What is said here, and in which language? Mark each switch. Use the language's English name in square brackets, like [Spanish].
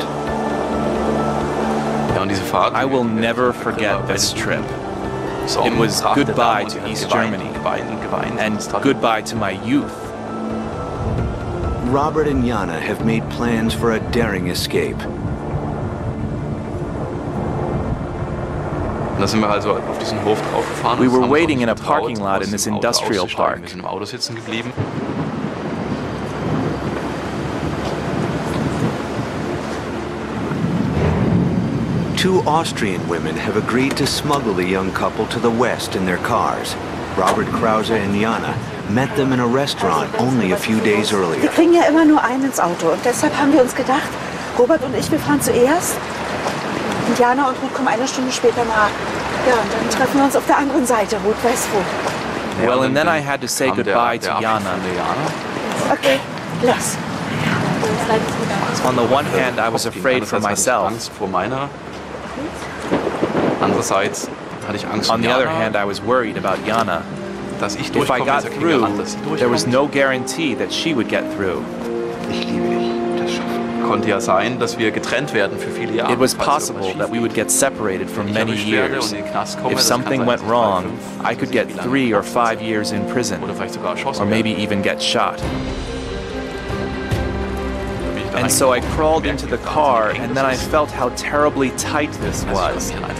[English] I will never forget this trip. It was goodbye to East Germany and goodbye to my youth. Robert and Jana have made plans for a daring escape. [German] Und da sind wir also auf diesen Hof drauf gefahren. [English] We were waiting in a parking lot in this industrial park. [German] Wir sind im Auto sitzen geblieben. [English] Two Austrian women have agreed to smuggle the young couple to the west in their cars. Robert Krause and Jana met them in a restaurant only a few days earlier. [German] Wir kriegen ja immer nur einen ins Auto und deshalb haben wir uns gedacht, Robert und ich, wir fahren zuerst. Und Jana und Ruth kommen eine Stunde später nach. Ja, und dann treffen wir uns auf der anderen Seite, Ruth weiß wo. [English] Well, and then I had to say goodbye to Jana. [German] Okay, los. [English] On the one hand, I was afraid for myself. [German] Andererseits hatte ich Angst [English] on the other hand, I was worried about Jana. [German] Dass ich [English] if I got through, there was no guarantee that she would get through. [German] Ich liebe dich. Das konnte ja sein, dass wir getrennt werden für viele Jahre. [English] It was possible that we would get separated for many years. If something went wrong, I could get 3 or 5 years in prison, or maybe even get shot. And so I crawled into the car, and then I felt how terribly tight this was.